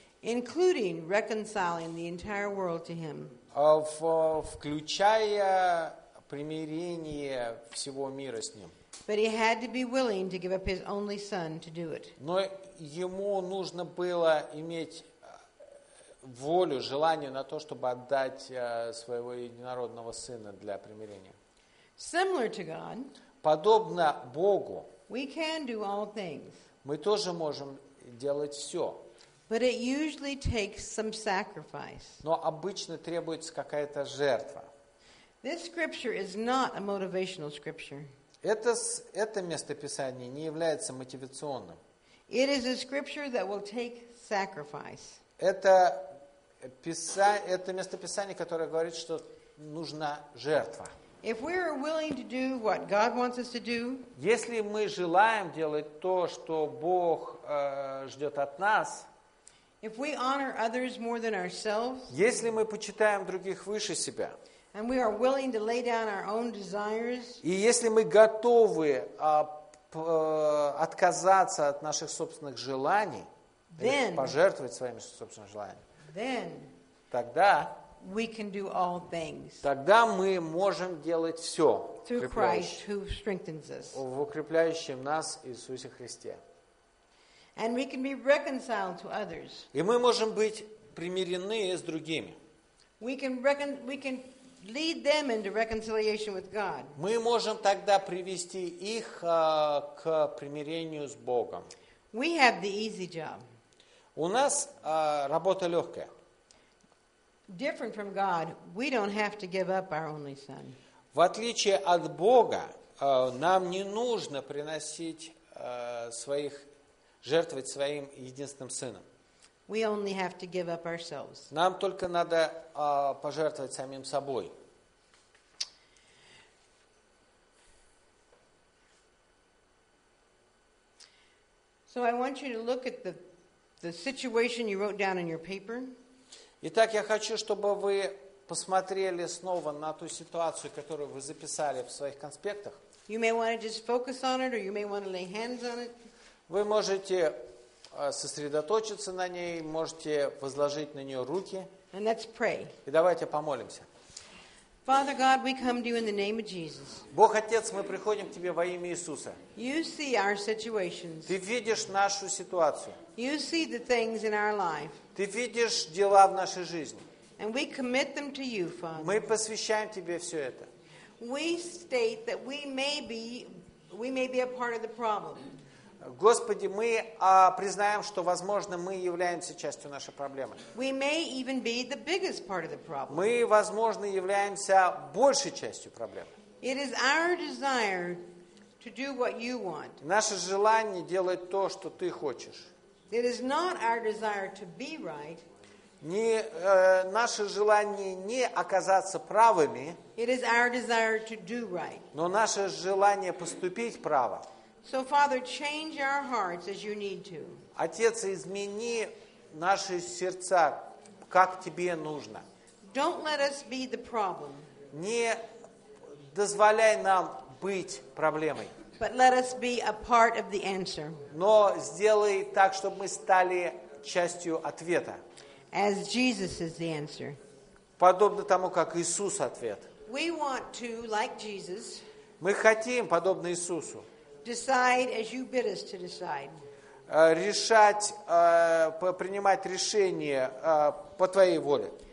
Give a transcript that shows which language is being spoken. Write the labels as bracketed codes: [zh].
[en] Including reconciling the entire world to him. [ru] Включая примирение всего мира с ним. [en] But he had to be willing to give up his only son to do it. [ru] Но ему нужно было иметь волю, желание на то, чтобы отдать своего единородного сына для примирения. [en] Similar to God. [ru] Подобно Богу. [en] We can do all things. [ru] Мы тоже можем делать все. [en] But it usually takes some sacrifice. [ru] Но обычно требуется какая-то жертва. [en] This scripture is not a motivational scripture. [ru] Это место Писания не является мотивационным. [en] It is a scripture that will take sacrifice. [ru] Это место Писания, которое говорит, что нужна жертва. [en] If we are willing to do what God wants us to do, [ru] если мы желаем делать то, что Бог ждет от нас, [en] if we honor others more than ourselves, [ru] если мы почитаем других выше себя, [en] and we are willing to lay down our own desires, [ru] и если мы готовы отказаться от наших собственных желаний, [en] then, [ru] пожертвовать своими собственными желаниями, [en] then, [ru] тогда [en] we can do all things. [ru] Тогда мы можем делать все. [en] Through Christ who strengthens us. [ru] В укрепляющем нас Иисусе Христе. [en] And we can be reconciled to others. [ru] И мы можем быть примирены с другими. [en] We can lead them into reconciliation with God. [ru] Мы можем тогда привести их к примирению с Богом. [en] We have the easy job. [ru] У нас работа легкая. [en] Different from God, we don't have to give up our only son. [ru] В отличие от Бога, нам не нужно приносить своих жертвовать своим единственным сыном. [en] We only have to give up ourselves. [ru] Нам только надо пожертвовать самим собой. [en] So I want you to look at the situation you wrote down in your paper. [ru] Итак, я хочу, чтобы вы посмотрели снова на ту ситуацию, которую вы записали в своих конспектах. [en] You may want to just focus on it, or you may want to lay hands on it. [ru] Вы можете сосредоточиться на ней, можете возложить на нее руки. [en] And let's pray. [ru] И давайте помолимся. [en] Father God, we come to you in the name of Jesus. [ru] Бог Отец, мы приходим к тебе во имя Иисуса. [en] You see our situations. [ru] Ты видишь нашу ситуацию. [en] You see the things in our life. [ru] Ты видишь дела в нашей жизни. [en] And we commit them to you, Father. [ru] Мы посвящаем тебе все это. [en] We state that we may be a part of the problem. [ru] Господи, мы признаем, что, возможно, мы являемся частью нашей проблемы. [en] We may even be the biggest part of the problem. [ru] Мы, возможно, являемся большей частью проблемы. [en] It is our desire to do what you want. [ru] Наше желание делать то, что ты хочешь. [en] It is not our desire to be right. [ru] Наше желание не оказаться правыми. [en] It is our desire to do right. [ru] Но наше желание поступить право. [en] So, Father, change our hearts as you need to. [ru] Отец, измени наши сердца, как тебе нужно. [en] Don't let us be the problem. [ru] Не дозволяй нам быть проблемой. [en] But let us be a part of the answer. [ru] Но сделай так, чтобы мы стали частью ответа. [en] As Jesus is the answer. [ru] Подобно тому, как Иисус ответ. [en] We want to, like Jesus. [ru] Мы хотим, подобно Иисусу. [en] Decide as you bid us to decide. [ru] Решать, принимать решения по твоей воле.